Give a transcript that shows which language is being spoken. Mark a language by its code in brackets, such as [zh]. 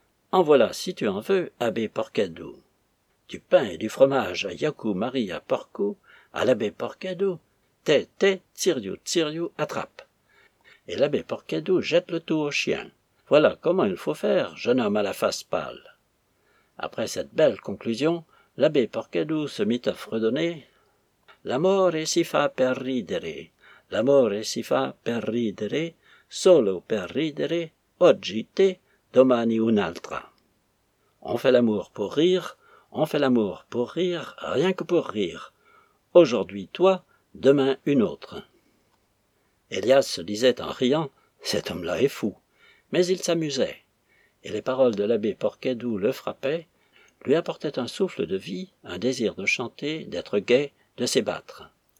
[fr] En voilà, si tu en veux, abbé Porcadou. Du pain et du fromage à Iacu Maria Porcu, à l'abbé Porcadou, té, tsiriu, tsiriu, attrape. Et l'abbé Porcadou jette le tout au chien. Voilà comment il faut faire, jeune homme à la face pâle. » Après cette belle conclusion, l'abbé Porcadou se mit à fredonner. [it] L'amore si fa per ridere, l'amore si fa per ridere, solo per ridere, oggi te, domani un'altra. [fr] On fait l'amour pour rire, on fait l'amour pour rire, rien que pour rire. Aujourd'hui toi, demain une autre. Elias se disait en riant, cet homme-là est fou. Mais il s'amusait, et les paroles de l'abbé Porcadou le frappaient, lui apportaient un souffle de vie, un désir de chanter, d'être gai, de s'ébattre.